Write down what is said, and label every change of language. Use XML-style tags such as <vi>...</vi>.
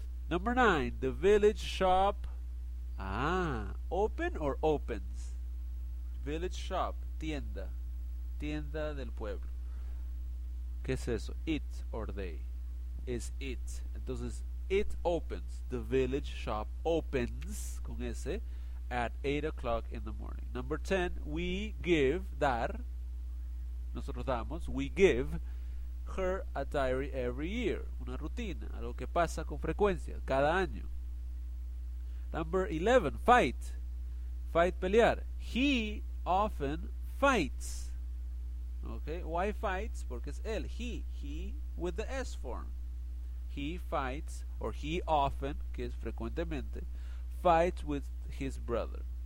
<en>Number 9, the village shop, open or opens? Village shop,</en> <es>tienda, tienda del pueblo. ¿Qué es eso?</es> <en>It or they, is it. Entonces, it opens, the village shop opens, con S, at 8 o'clock in the morning. Number 10, we give, dar,</en> <es>nosotros damos,</es> <en>we give her a diary every year,</en> <es>una rutina, algo que pasa con frecuencia, cada año.</es> <en>Number 11, fight, pelear, he often fights, okay, why fights,</en> <es>porque es él,</es> <en>he with the S form, he fights, or he often,</en> <es>que es frecuentemente,</es> <en>fights with his brother.</en>